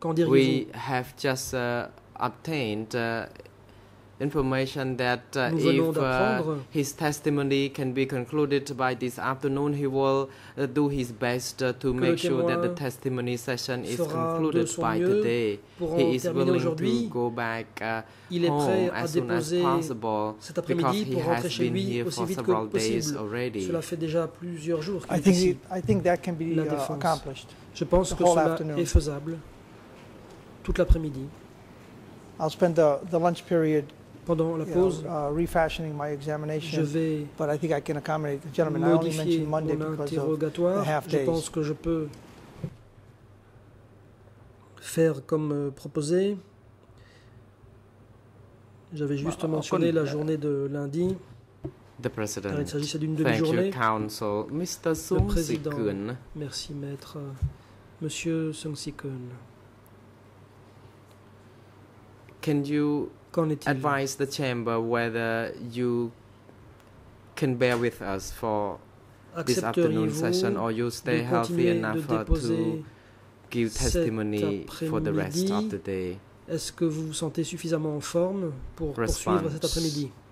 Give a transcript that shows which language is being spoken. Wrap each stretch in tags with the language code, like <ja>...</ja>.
<en>We have just obtained information that if his testimony can be concluded by this afternoon, he will do his best to make sure that the testimony session is concluded by today. He is willing to go back home as soon as possible because he has been here for several days already. I think that can be accomplished.</en> <fr>Je pense que cela est faisable toute l'après-midi.</fr> <en>I'll spend the lunch period</en> <fr>pendant la pause,</fr> <en>refashioning my examination,</en> <fr>je vais</fr> <en>but I think I can accommodate the gentleman.</en> <fr>Modifier</fr> <en>I only mentioned Monday because of the half days.</en> <fr>Je pense que je peux faire comme proposé. J'avais juste mentionné la journée de lundi.</fr> <en>The president.</en> <fr>Car il s'agissait d'une demi-journée.</fr> <en>Thank you, counsel. Mr. Sung-sikun.</en> <fr>Merci, maître. Monsieur Sung-sikun.</fr> <en>Can you advise the chamber whether you can bear with us for this afternoon session or you stay healthy enough to give testimony for the rest of the day?</en> <fr>Est-ce que vous vous sentez suffisamment en forme pour poursuivre cet après-midi?</fr>